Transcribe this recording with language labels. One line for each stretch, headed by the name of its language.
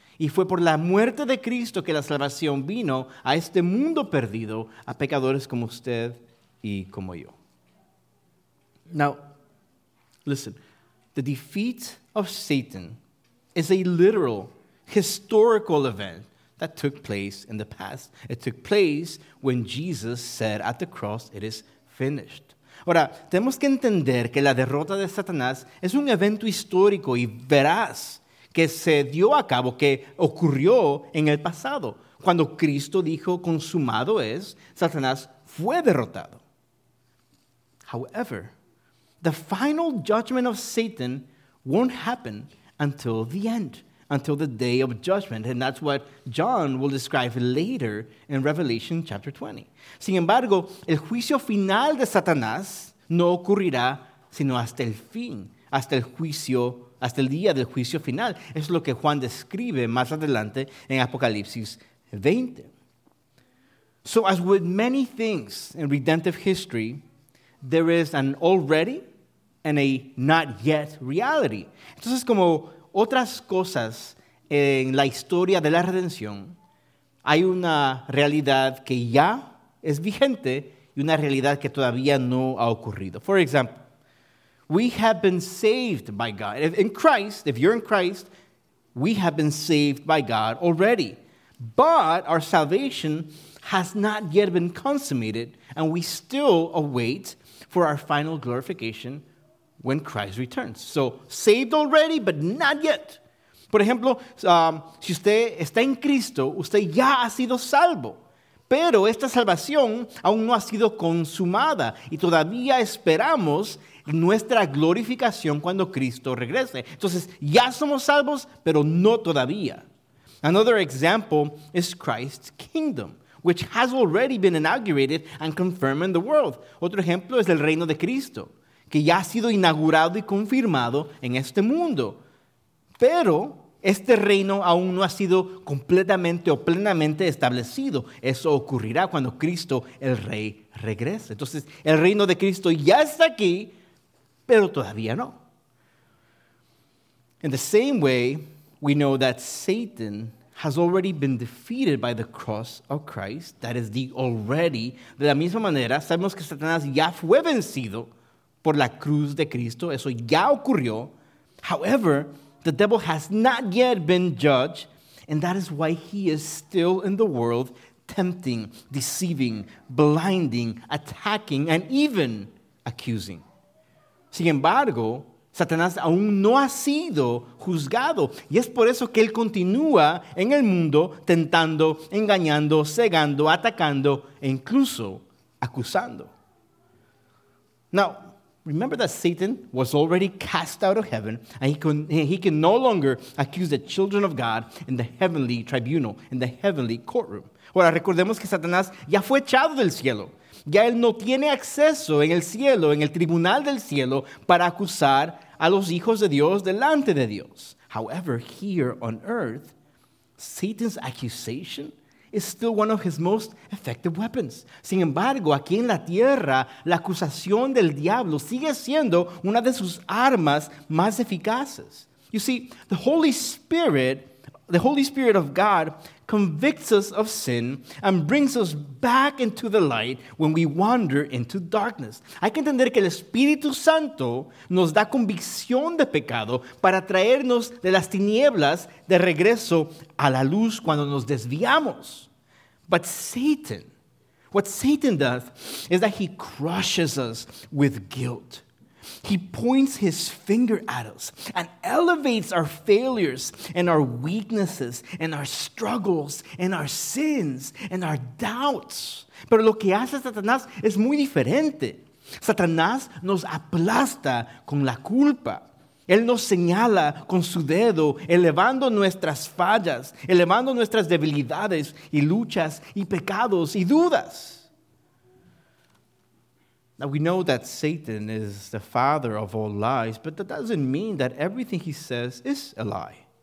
Spanish: Y fue por la muerte de Cristo que la salvación vino a este mundo perdido, a pecadores como usted y como yo.
English: Now, listen, the defeat of Satan is a literal, historical event that took place in the past. It took place when Jesus said at the cross, "It is finished."
Spanish: Ahora, tenemos que entender que la derrota de Satanás es un evento histórico y veraz que se dio a cabo, que ocurrió en el pasado. Cuando Cristo dijo, "Consumado es," Satanás fue derrotado.
English: However, the final judgment of Satan won't happen until the end, until the day of judgment. And that's what John will describe later in Revelation chapter 20.
Spanish: Sin embargo, el juicio final de Satanás no ocurrirá sino hasta el fin, hasta el juicio, hasta el día del juicio final. Es lo que Juan describe más adelante en Apocalipsis 20.
English: So as with many things in redemptive history, there is an already and a not yet reality.
Spanish: Entonces, como otras cosas en la historia de la redención, hay una realidad que ya es vigente y una realidad que todavía no ha ocurrido.
English: For example, We have been saved by God. In Christ, if you're in Christ, we have been saved by God already. But our salvation has not yet been consummated, and we still await for our final glorification when Christ returns. So, saved already, but not yet.
Spanish: Por ejemplo, si usted está en Cristo, usted ya ha sido salvo. Pero esta salvación aún no ha sido consumada y todavía esperamos nuestra glorificación cuando Cristo regrese. Entonces, ya somos salvos, pero no todavía.
English: Another example is Christ's kingdom, which has already been inaugurated and confirmed in the world.
Spanish: Otro ejemplo es el reino de Cristo, que ya ha sido inaugurado y confirmado en este mundo. Pero este reino aún no ha sido completamente o plenamente establecido. Eso ocurrirá cuando Cristo, el Rey, regrese. Entonces, el reino de Cristo ya está aquí, pero todavía no.
English: In the same way, we know that Satan has already been defeated by the cross of Christ. That is the already.
Spanish: De la misma manera, sabemos que Satanás ya fue vencido por la cruz de Cristo. Eso ya ocurrió.
English: However, the devil has not yet been judged, and that is why he is still in the world, tempting, deceiving, blinding, attacking, and even accusing.
Spanish: Sin embargo, Satanás aún no ha sido juzgado, y es por eso que él continúa en el mundo, tentando, engañando, cegando, atacando, e incluso acusando.
English: Now, remember that Satan was already cast out of heaven, and he can no longer accuse the children of God in the heavenly tribunal, in the heavenly courtroom.
Spanish: Ahora, recordemos que Satanás ya fue echado del cielo. Ya él no tiene acceso en el cielo, en el tribunal del cielo, para acusar a los hijos de Dios delante de Dios.
English: However, here on earth, Satan's accusation is still one of his most effective weapons.
Spanish: Sin embargo, aquí en la tierra, la acusación del diablo sigue siendo una de sus armas más eficaces.
English: You see, the Holy Spirit of God convicts us of sin and brings us back into the light when we wander into darkness.
Spanish: Hay que entender que el Espíritu Santo nos da convicción de pecado para traernos de las tinieblas de regreso a la luz cuando nos desviamos.
English: But Satan, what Satan does is that he crushes us with guilt. He points his finger at us and elevates our failures and our weaknesses and our struggles and our sins and our doubts.
Spanish: Pero lo que hace Satanás es muy diferente. Satanás nos aplasta con la culpa. Él nos señala con su dedo, elevando nuestras fallas, elevando nuestras debilidades y luchas y pecados y dudas.
English: Now, we know that Satan is the father of all lies, but that doesn't mean that everything he says is a lie.